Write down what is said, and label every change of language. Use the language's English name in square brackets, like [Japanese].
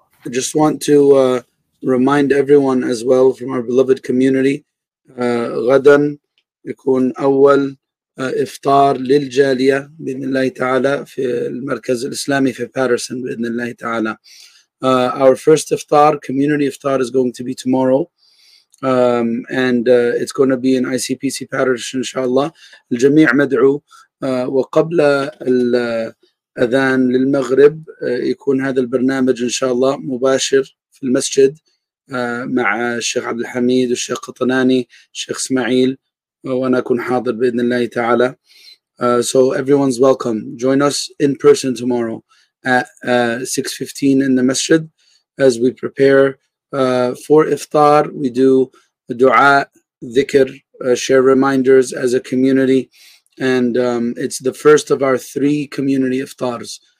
[English] Just want to remind everyone as well from our beloved community, [Arabic] غدًا يكون أول إفطار للجالية بإذن الله تعالى في المركز الإسلامي في باترسون بإذن الله تعالى. [English] Our first iftar, community iftar, is going to be tomorrow. It's going to be in ICPC Parish, inshallah. [Arabic] الجميع مدعو. وقبل الأذان للمغرب يكون هذا البرنامج inshallah مباشر في المسجد مع الشيخ عبد الحميد والشيخ قطناني الشيخ اسماعيل وأنا أكون حاضر بإذن الله تعالى. [English] So everyone's welcome. Join us in person tomorrow at 6:15 in the masjid as we prepare for iftar. We do dua, dhikr, share reminders as a community, and it's the first of our three community iftars.